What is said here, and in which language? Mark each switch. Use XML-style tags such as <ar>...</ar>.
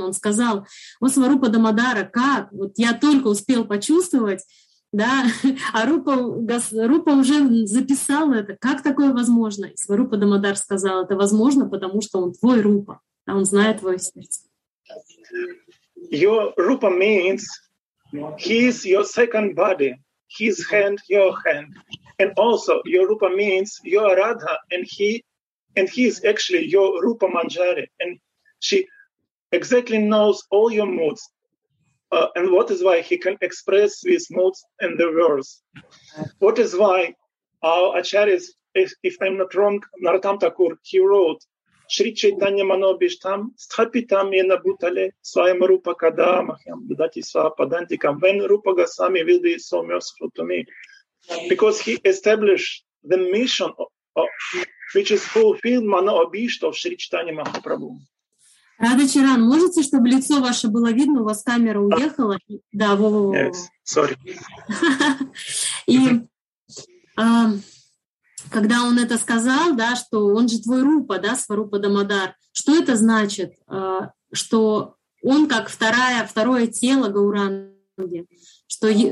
<ru>Он сказал: «О, Сварупа Дамодара, как? Вот я только успел почувствовать». Да, а Рупа уже записал это. Как такое возможно? И Сварупа Дамодар сказал: это возможно, потому что он твой Рупа, а он знает твое сердце.</ru> <en>Your Rupa means he is your second body, his hand, your hand. And also your Rupa means your Radha, and he is actually your Rupa Manjari. And she exactly knows all your moods. And what is why he can express these moods in the verse. What is why our acharyas, if I'm not wrong, Narottam Thakur, he wrote,</en> <sa>Shri Chaitanya Manobhishtam Sthapitam Yena Bhutale Swayam Rupa Kadamaham Dadati Svapadantikam,</sa> <en>when Rupa Goswami will be so merciful to me. Because he established the mission which is fulfilled Manobhishtam of Shri Chaitanya Mahaprabhu.</en> <ru>Рада Чаран, можете, чтобы лицо ваше было видно? У вас камера уехала. Да, во-во-во.</ru> <en>Yes, sorry.</en> <ru>И когда он это сказал, да, что он же твой Рупа, да, Сварупа Дамодар, что это значит, что он как второе тело Гауранги, что</ru>